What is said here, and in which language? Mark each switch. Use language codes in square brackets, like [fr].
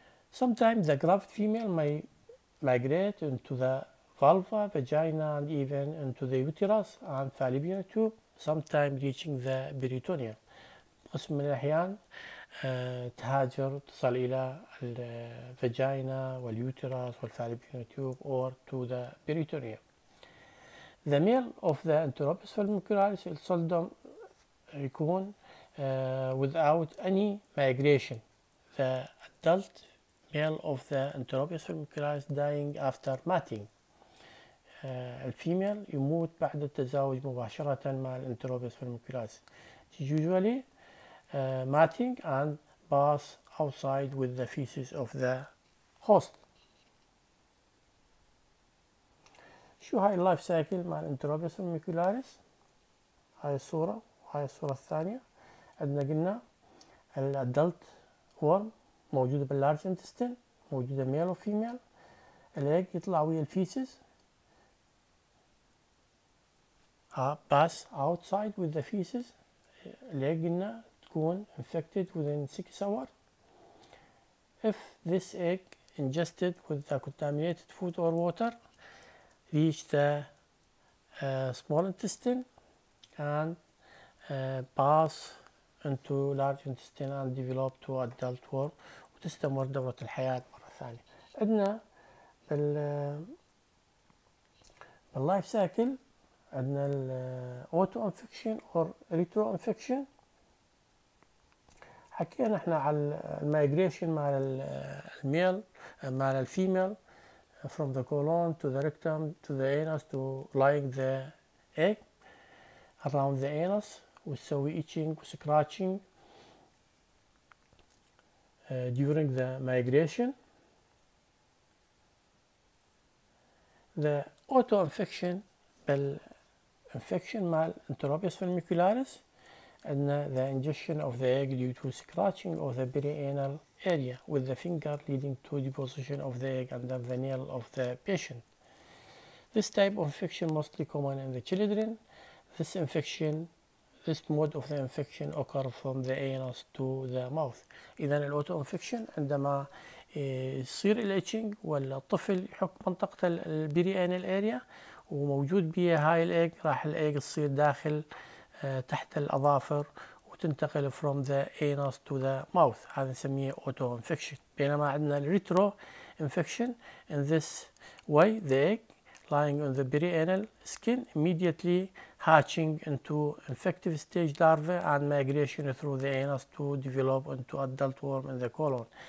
[en] Sometimes the gravid female may migrate into the vulva, vagina, and even into the uterus and fallopian tube, sometimes reaching the peritoneum. [ar] قسم من الأحيان تهاجر تصل إلى الفاجينا واليوترس والفاليبيان تيوب [en] or to the peritoneum. The male of the Enterobius vermicularis is seldom [ar] يكون [en] without any migration. The adult male of the Enterobius vermicularis dying after mating. [ar] الفيميل يموت بعد التزاوج مباشرة مع الانتروبيس فيرميكولاريس. [en] Usually mating and pass outside with the feces of the host. [ar] شو هاي اللايف سايكل مع الانتروبيس فيرميكولاريس؟ هاي الصورة وهاي الصورة الثانية. عندنا قلنا الادلت ورم موجودة باللارج انتستين، موجودة ميل وفيميل. الايج يطلع ويا الفيسز. [en] Pass outside with the feces. Legna [ar] تكون [en] infected within 6 hours. If this egg ingested with the contaminated food or water, reach the small intestine and pass into large intestine and develop to adult worm. [ar] وتستمر دورة الحياة مرة ثانية. عندنا باللايف سايكل عندنا الاوتو انفكشن اور ريترو انفكشن. حكينا احنا على المايجريشن مع الميل مع الفيميل [en] from the colon to the rectum to the anus to like the egg around the anus [ar] وتسوي [en] itching وسكراتشنج during the migration. The auto infection بال infection مع Enterobius vermicularis and the ingestion of the egg due to scratching of the perianal area with the finger leading to deposition of the egg under the nail of the patient. This type of infection mostly common in the children. This infection, this mode of the infection occur from the anus to the mouth. [ar] إذن الأوتو انفكشن عندما يصير الاتشنج والطفل يحك منطقة البريانال اريا وموجود بها هاي الايج، راح الايج تصير داخل تحت الاظافر وتنتقل [en] from the anus to the mouth. [ar] هذا نسميه أوتو انفكشن. بينما عندنا الريترو انفكشن [en] in this way the egg lying on the perianal skin immediately hatching into infective stage larvae and migration through the anus to develop into adult worm in the colon.